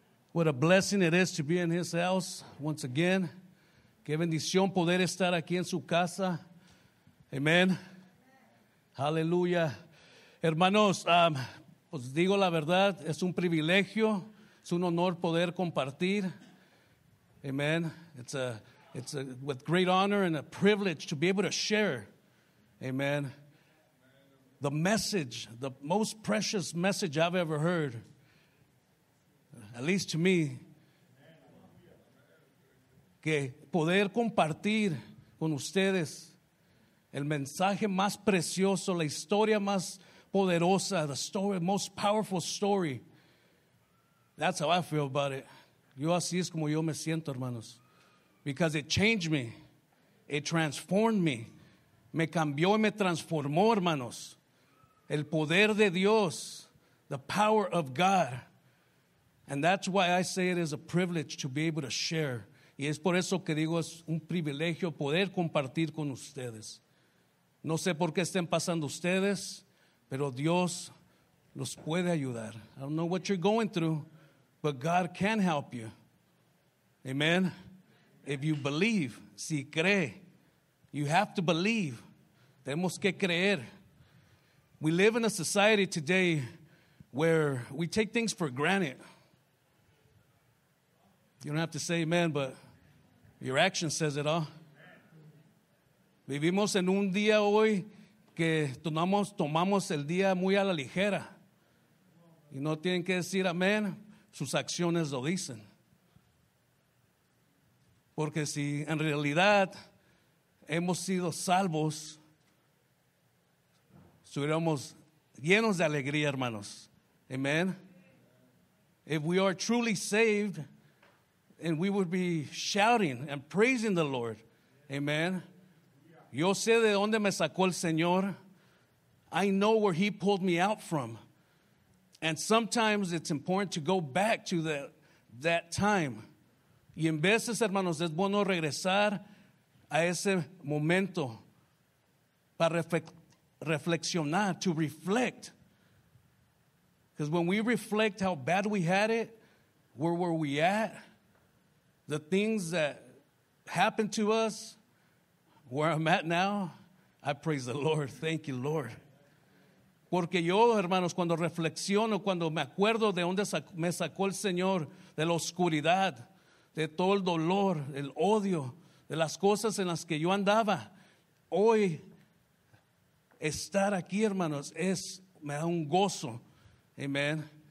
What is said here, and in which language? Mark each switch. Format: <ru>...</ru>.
<en>What a blessing it is to be in his house once again.</en> <es>Qué bendición poder estar aquí en su casa. Amen. Hallelujah. Hermanos, pues digo la verdad, es un privilegio. Es un honor poder compartir. Amen.</es> <en>It's with great honor and a privilege to be able to share. Amen. The message, the most precious message I've ever heard. At least to me.</en> <es>Que poder compartir con ustedes el mensaje más precioso, la historia más poderosa,</es> <en>the story, most powerful story. That's how I feel about it.</en> <es>Yo así es como yo me siento, hermanos.</es> <en>Because it changed me. It transformed me.</en> <es>Me cambió y me transformó, hermanos. El poder de Dios.</es> <en>The power of God. And that's why I say it is a privilege to be able to share.</en> <es>Y es por eso que digo es un privilegio poder compartir con ustedes. No sé por qué estén pasando ustedes, pero Dios los puede ayudar.</es> <en>I don't know what you're going through. But God can help you. Amen. If you believe,</en> <es>si cree,</es> <en>you have to believe.</en> <es>Tenemos que creer.</es> <en>We live in a society today where we take things for granted. You don't have to say amen, but your action says it all.</en> <es>Vivimos en un día hoy que tomamos el día muy a la ligera. Y no tienen que decir amen. Sus acciones lo dicen. Porque si en realidad hemos sido salvos, estuviéramos llenos de alegría, hermanos. Amen.</es> <en>If we are truly saved, and we would be shouting and praising the Lord. Amen.</en> <es>Yo sé de dónde me sacó el Señor.</es> <en>I know where he pulled me out from. And sometimes it's important to go back to that time.</en> <es>Y en veces, hermanos, es bueno regresar a ese momento para reflexionar,</es> <en>to reflect. Because when we reflect how bad we had it, where were we at, the things that happened to us, where I'm at now, I praise the Lord. Thank you, Lord.</en> <es>Porque yo, hermanos, cuando reflexiono, cuando me acuerdo de dónde me sacó el Señor, de la oscuridad, de todo el dolor, el odio, de las cosas en las que yo andaba, hoy estar aquí, hermanos, me da un gozo. Amen.</es>